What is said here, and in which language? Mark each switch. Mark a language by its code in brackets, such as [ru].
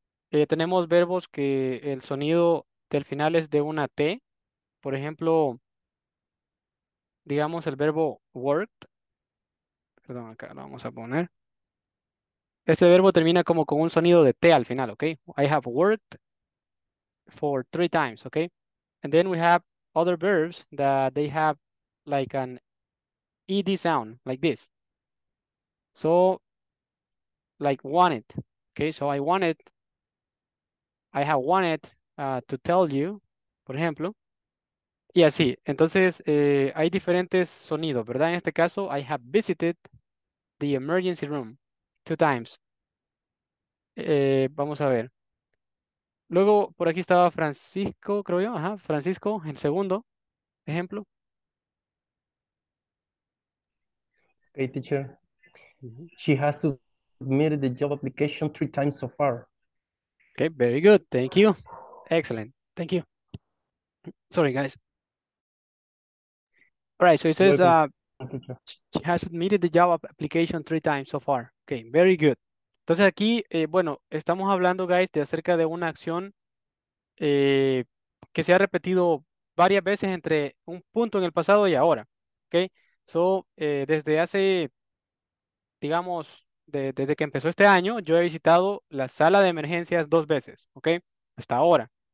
[es] Tenemos verbos que el sonido del final es de una T, por ejemplo, digamos el verbo worked, perdón, acá lo vamos a poner. Este verbo termina como con un sonido de T al final, ¿ok? [en] I have worked for 3 times, [es] ¿ok? [en] And then we have other verbs that they have like an ED sound, like this. So, like wanted, ¿ok? So I wanted, I have wanted to tell you, [es] por ejemplo. Y así, entonces hay diferentes sonidos, ¿verdad? En este caso, [en] I have visited the emergency room 2 times. [es] Vamos a ver. Luego, por aquí estaba Francisco, creo yo. Ajá, Francisco, el segundo ejemplo. [en] Hey, teacher. She has submitted the job application 3 times so far. Okay, very good. Thank you. Excellent. Thank you. Sorry, guys. Right, so it says Welcome, teacher. she has submitted the job application 3 times so far. Okay, very good. [es] Entonces aquí, bueno, estamos hablando, guys, de acerca de una acción que se ha repetido varias veces entre un punto en el pasado y ahora, ¿ok? So, desde hace, digamos, desde que empezó este año, yo he visitado la sala de emergencias 2 veces, ¿ok? Hasta ahora.